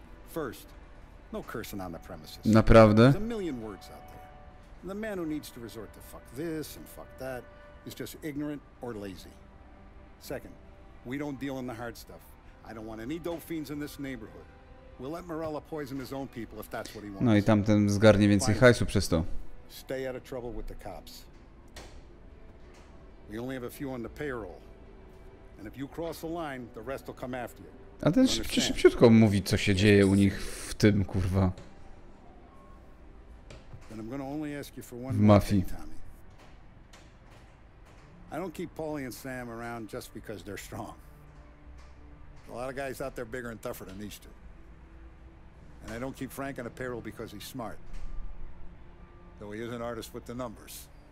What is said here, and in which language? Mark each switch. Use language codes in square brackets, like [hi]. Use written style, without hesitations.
[en] First, no cursing on the premises. [pl] Naprawdę? [en] There's a million words out there. And the man who needs to resort to fuck this and fuck that is just ignorant or lazy. Second, we don't deal in the hard stuff. I don't want any dope fiends in this neighborhood. We'll let Morella poison his own people if that's what he wants. [pl] No i tamten zgarnie więcej hajsu przez to. [en] Stay out of trouble with the cops. We only have a few on the payroll. And if you cross the line, the rest will come after you. [pl] A ten szybciutko mówi, co się dzieje u nich w tym, kurwa. [en] Then I'm gonna only ask you for one more thing. I don't keep Paulie and Sam around just because they're strong. A lot of guys out there bigger and tougher than these two. And I don't keep Frank on the payroll because he's smart. Though he is an artist with the numbers.